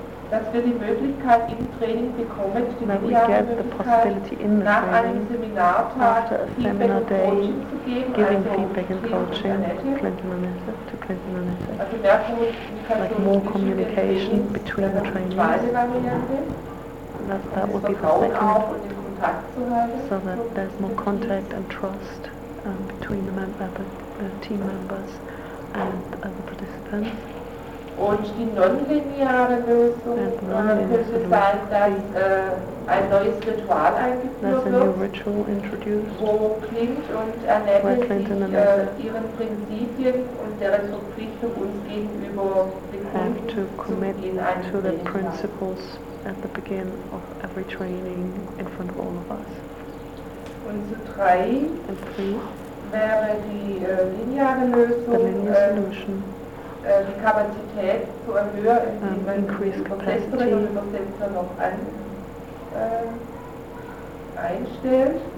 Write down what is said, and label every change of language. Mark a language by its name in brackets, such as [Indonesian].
[German] Dass wir die Möglichkeit im Training bekommen, die [English] that we get the possibility in the training after a seminar day giving feedback and coaching to Clint and Annette, like more communication between the trainees. That would be the second, so that there's more contact and trust between the team members and the participants. [German] Und die non-lineare Lösung könnte sein, dass ein neues Ritual eingeführt wird, wo Clint und Annette sich ihren Prinzipien und deren Verpflichtung uns gegenüber [English] have to commit to the principles at the beginning of every training in front of all of us. [German] Und zu 3 wäre die lineare Lösung, die Kapazität zu erhöhen, indem man Prozessoren und Prozessoren noch einstellt.